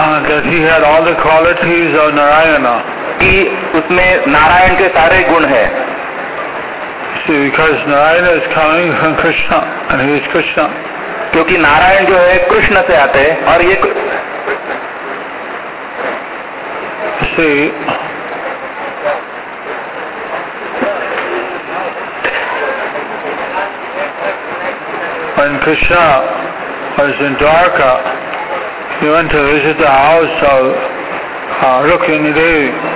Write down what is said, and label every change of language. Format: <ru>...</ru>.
<en>That he had all the qualities of Narayana.</en> <hi>कि उसमें नारायण के सारे गुण है.</hi> <en>See, because Narayana is coming from Krishna, and he is Krishna.</en> <hi>क्योंकि नारायण जो है कृष्ण से आते हैं और ये.</hi> <en>See, when Krishna was in Dwarka, He went to visit the house of Rukmini Devi.</en>